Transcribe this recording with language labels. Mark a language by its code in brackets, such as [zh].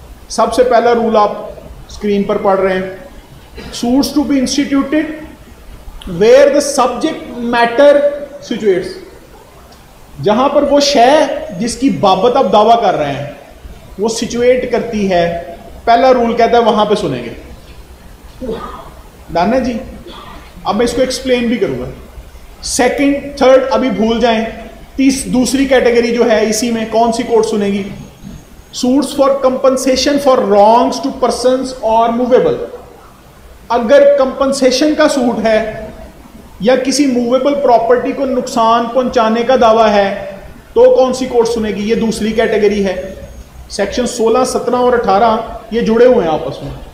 [hi] सबसे पहला रूल आप स्क्रीन पर पढ़ रहे हैं, [en] suits to be instituted where the subject matter situates, [hi] जहां पर वो शय जिसकी बाबत आप दावा कर रहे हैं वो सिचुएट करती है, पहला रूल कहता है वहां पे सुनेंगे, डन है जी। अब मैं इसको एक्सप्लेन भी करूंगा। सेकंड, थर्ड अभी भूल जाएं, तीस दूसरी कैटेगरी जो है इसी में कौन सी court सुनेगी, [en] suits for compensation for wrongs to persons or movable. [hi] अगर compensation का suit है या किसी movable property को नुकसान पहुंचाने का दावा है तो कौन सी कोर्ट सुनेगी? ये दूसरी कैटेगरी है. सेक्शन 16, 17 और 18 ये जुड़े हुए हैं आपस में.